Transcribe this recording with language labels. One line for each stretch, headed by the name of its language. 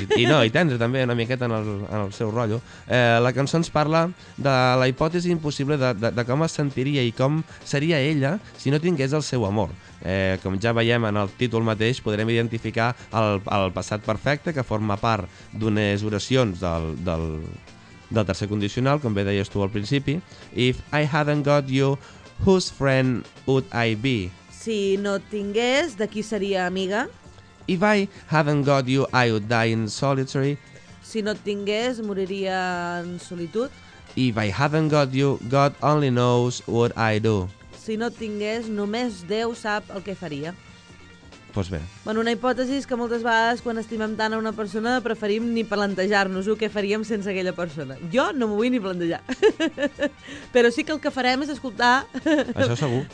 Catalan: I tendre també una miqueta en el seu rotllo. La cançó ens parla de la hipòtesi impossible de com es sentiria i com seria ella si no tingués el seu amor. Com ja veiem en el títol mateix, podrem identificar el passat perfecte que forma part d'unes oracions del tercer condicional, com bé deies tu al principi.
English: If I hadn't got you, whose friend would I be?
Catalan: Si no tingués, de qui seria amiga?
English: If I hadn't got you, I would die in solitary.
Catalan: Si no et tingués, moriria en solitud.
English: If I hadn't got you, God only knows what I do.
Catalan: Si no et tingués, només Déu sap el que faria. Pues bé. Bueno, una hipòtesi és que moltes vegades, quan estimem tant a una persona, preferim ni plantejar-nos què faríem sense aquella persona. Jo no m'ho vull ni plantejar. Però sí que el que farem és escoltar... Això segur.